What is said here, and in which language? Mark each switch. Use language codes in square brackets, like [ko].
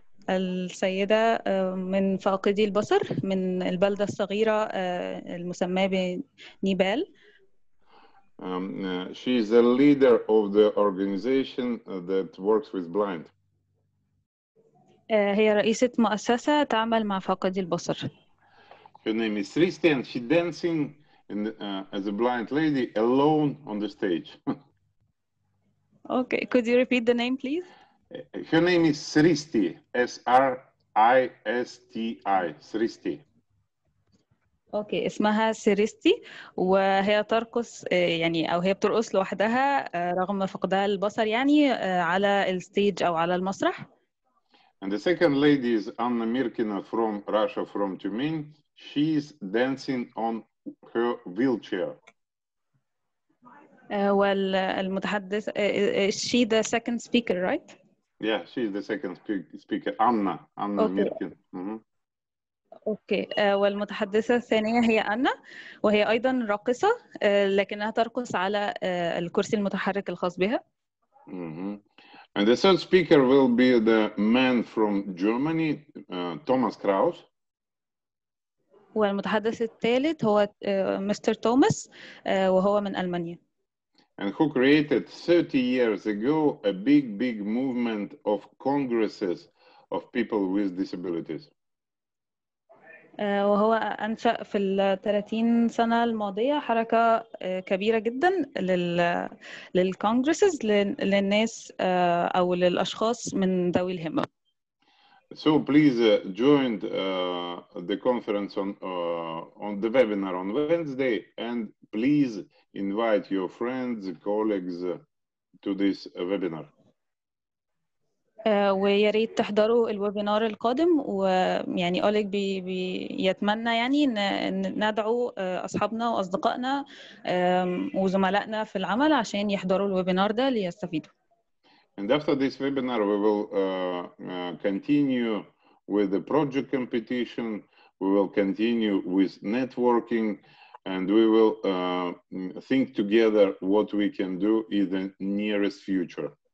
[ar] السيدة من فاقدي البصر من البلدة الصغيرة المسمى بنيبال. [en] She is the leader of the organization that works with blind. [ar] هي رئيسة مؤسسة تعمل مع فاقدي البصر. [en] Her name is Tristan. She's dancing in the, as a blind lady alone on the stage. Okay, could you repeat the name, please? Her name is Sristi, S-R-I-S-T-I, Sristi. [ar] Okay, اسمها Sristi, وهي ترقص يعني أو هي بترقص لوحدها رغم فقدها البصر يعني على الستيج أو على المسرح. [en] And the second lady is Anna Mirkina from Russia, from Tumen. She's dancing on her wheelchair. [ar] والمتحدث, [en] is she the second speaker, right? Yeah, she's the second speaker, Anna okay. Mirkin. Mm-hmm. [ar] Okay, والمتحدثة الثانية هي أنا, وهي أيضا راقصة, لكنها ترقص على الكرسي المتحرك الخاص بها. Mm-hmm. [en] And the third speaker will be the man from Germany, Thomas Kraus. [ar] والمتحدث الثالث هو Mr. Thomas, وهو من ألمانيا. [en] And who created 30 years ago a big, big movement of congresses of people with disabilities. [ar] وهو أنشأ في الثلاثين سنة الماضية حركة كبيرة جدا للكونغرسز للناس أو للأشخاص من ذوي الهمة. [en] So please join the conference on the webinar on Wednesday, and please invite your friends, colleagues to this webinar. [ar] ويا ريت تحضروا الويبينار القادم, ويعني أوليك بيتمنى يعني ندعو أصحابنا وأصدقائنا وزملائنا في العمل عشان يحضروا الويبينار ده ليستفيدوا. [en] And after this webinar, we will continue with the project competition. We will continue with networking, and we will think together what we can do in the nearest future.